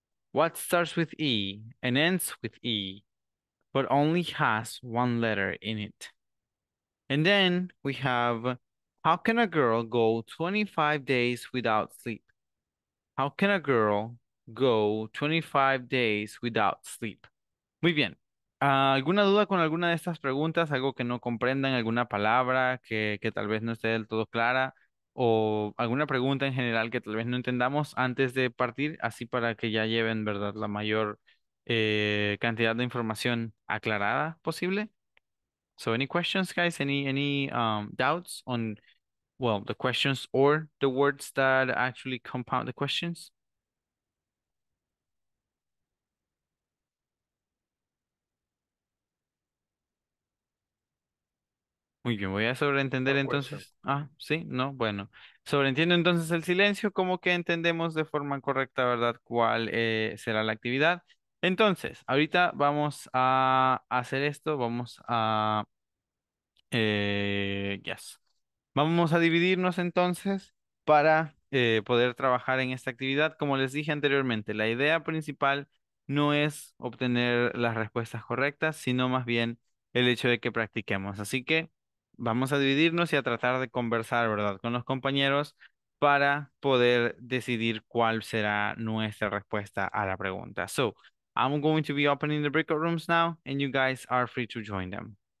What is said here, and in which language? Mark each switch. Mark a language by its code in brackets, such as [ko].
[en] What starts with E and ends with E, but only has one letter in it? And then we have, how can a girl go 25 days without sleep? How can a girl go 25 days without sleep? [es] Muy bien. ¿Alguna duda con alguna de estas preguntas? ¿Algo que no comprendan? ¿Alguna palabra que tal vez no esté del todo clara? ¿O alguna pregunta en general que tal vez no entendamos antes de partir? Así para que ya lleven, ¿verdad?, la mayor cantidad de información aclarada posible. [en] So, any questions, guys? Any doubts on, well, the questions or the words that actually compound the questions? [es] Muy bien, voy a sobreentender entonces. Ah, sí, no, bueno. Sobreentiendo entonces el silencio, como que entendemos de forma correcta, ¿verdad?, cuál será la actividad. Entonces, ahorita vamos a hacer esto, vamos a... yes. Vamos a dividirnos entonces para poder trabajar en esta actividad. Como les dije anteriormente, la idea principal no es obtener las respuestas correctas, sino más bien el hecho de que practiquemos. Así que vamos a dividirnos y a tratar de conversar, ¿verdad?, con los compañeros para poder decidir cuál será nuestra respuesta a la pregunta. [en] So, I'm going to be opening the breakout rooms now and you guys are free to join them.